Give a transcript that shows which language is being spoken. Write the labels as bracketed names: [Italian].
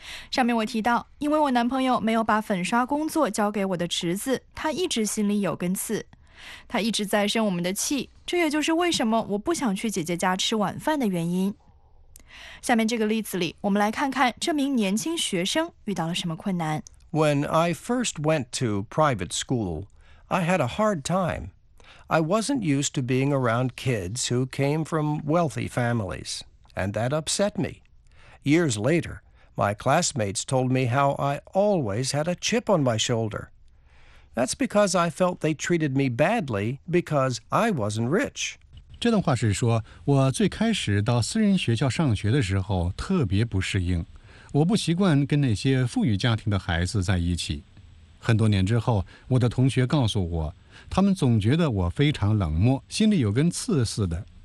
[Chinese] 上面我提到，因为我男朋友没有把粉刷工作交给我的侄子，他一直心里有根刺，他一直在生我们的气，这也就是为什么我不想去姐姐家吃晚饭的原因。下面这个例子里，我们来看看这名年轻学生遇到了什么困难。 [English] When I first went to private school, I had a hard time. I wasn't used to being around kids who came from wealthy families, and that upset me. Years later,My classmates told me how I always had a chip on my shoulder. That's because I felt they treated me badly because I wasn't rich. [Chinese] 这段话是说，我最开始到私人学校上学的时候特别不适应，我不习惯跟那些富裕家庭的孩子在一起。很多年之后，我的同学告诉我，他们总觉得我非常冷漠，心里有根刺似的。